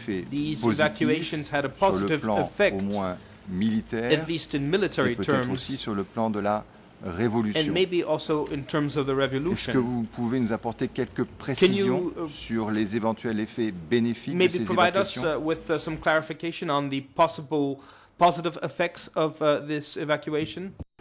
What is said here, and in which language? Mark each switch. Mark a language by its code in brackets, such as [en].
[en] these evacuations had a positive effect, [fr] au moins militaire, [en] at least in military terms, [fr] aussi sur le plan de la révolution. [en] And maybe also in terms of the revolution. [fr] Est-ce que vous pouvez nous apporter quelques précisions sur les éventuels effets bénéfiques de ces évacuations? [en] Maybe provide us with some clarification on the possible positive effects of this evacuation.